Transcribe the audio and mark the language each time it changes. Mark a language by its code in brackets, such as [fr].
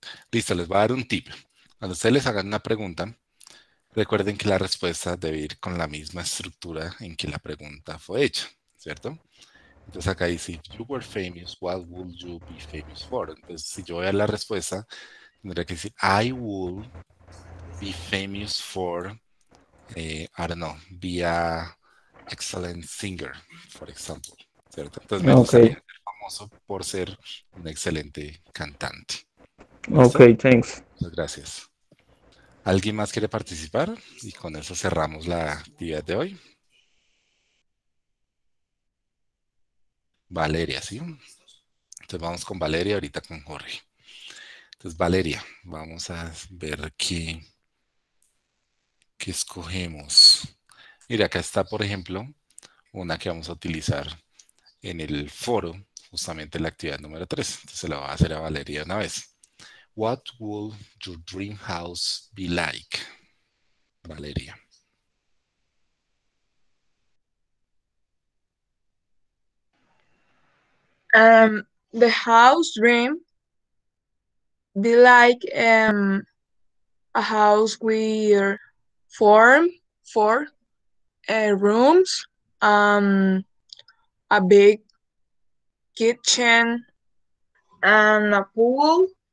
[es] Listo, les voy a dar un tip. Cuando ustedes les hagan una pregunta, recuerden que la respuesta debe ir con la misma estructura en que la pregunta fue hecha, ¿cierto? Entonces acá dice, [en] if you were famous, what would you be famous for? [es] Entonces, si yo voy a la respuesta, tendría que decir, [en] I would be famous for, I don't know, be a excellent singer, for example, [es] ¿cierto? Entonces me gustaría ser famoso por ser un excelente cantante. [en] Ok, thanks. [es] Muchas gracias. ¿Alguien más quiere participar? Y con eso cerramos la actividad de hoy. Valeria, ¿sí? Entonces vamos con Valeria, ahorita con Jorge. Entonces, Valeria, vamos a ver qué escogemos. Mira, acá está, por ejemplo, una que vamos a utilizar en el foro, justamente en la actividad número 3. Entonces se la va a hacer a Valeria una vez. [en] What would your dream house be like, Valeria? The house dream be like a house where four rooms, a big kitchen, and a pool.